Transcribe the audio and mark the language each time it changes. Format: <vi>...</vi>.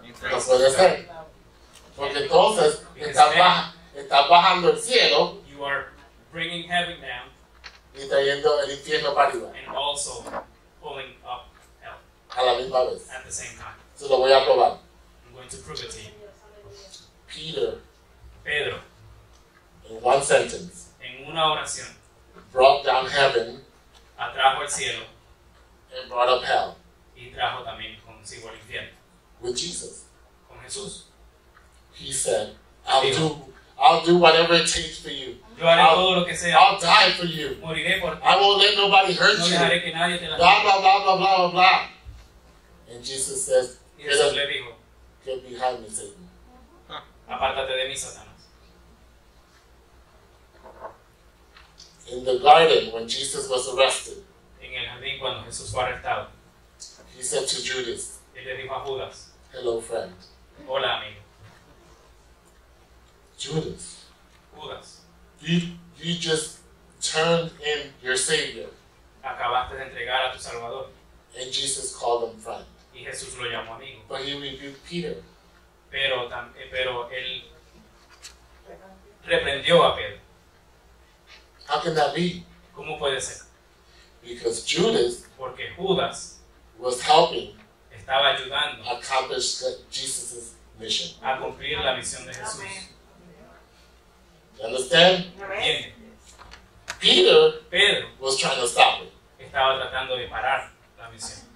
<es>No puede ser. Porque entonces, estás baja. Estás bajando el cielo.</es> <en>You are bringing heaven down.</en> <es>Y trayendo el infierno para arriba.</es> <en>And also pulling up hell.</en> <es>A la misma vez.</es> <en>At the same time.</en> <es>Se lo voy a probar.</es> <en>I'm going to prove it to you. Peter.</en> <es>Pedro.</es> <en>In one sentence.</en> <es>En una oración.</es> <en>Brought down heaven.</en> <es>Atrajo el cielo.</es> <en>And brought up hell.</en> <es>Y trajo también consigo el infierno.</es> <en>With Jesus.</en> <es>Con Jesús.</es> <en>He said, I'll do whatever it takes for you.</en> <es>Yo haré todo lo que sea.</es> <en>I'll die for you.</en> <es>Moriré por ti.</es> <en>I won't let nobody hurt no you.</en> <es>Dejaré que nadie te</es> <en>blah, blah, blah, blah, blah, blah, blah. And Jesus says,</en> <es>y Jesús le dijo,</es> <en>get behind me, Satan.</en> <es>Apártate de mí, Satanás.</es> <en>In the garden, when Jesus was arrested,</en> <es>en el jardín cuando Jesús fue arrestado,</es> <en>he said to Judas,</en> <es>él le dijo a Judas,</es> <en>hello, friend.</en> <es>Hola, amigo.</es> <en>Judas.</en> <es>Judas.</es> <en>You just turned in your Savior.</en> <es>Acabaste de entregar a tu Salvador.</es> <en>And Jesus called him friend.</en> <es>Y Jesús lo llamó amigo.</es> <en>But he rebuked Peter.</en> <es>Pero él reprendió a Pedro.</es> <en>How can that be?</en> <es>¿Cómo puede ser?</es> <en>Because Judas,</en> <es>porque Judas</es> <en>was helping,</en> <es>estaba ayudando,</es> <en>accomplish Jesus' mission,</en> <es>a cumplir la misión de Jesús.</es> <en>Amen. You understand?</en> <es>Pedro</es> <en>was trying to stop it.</en> <es>Estaba tratando de parar la misión.</es>